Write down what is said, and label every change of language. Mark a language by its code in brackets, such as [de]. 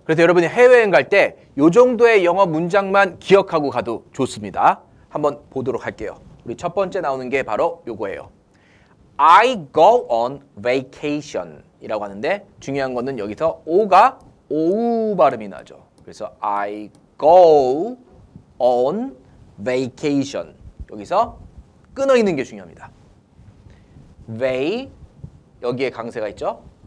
[ko] 그래서 여러분이 해외여행 갈 때 요 정도의 영어 문장만 기억하고 가도 좋습니다. 한번 보도록 할게요. 우리 첫 번째 나오는 게 바로 요거예요. [en] I go on vacation [ko] 이라고 하는데 중요한 거는 여기서 O가 오우 발음이 나죠. [en] 그래서 I go on vacation. [ko] 여기서 끊어 있는 게 중요합니다. They 여기에 강세가 있죠.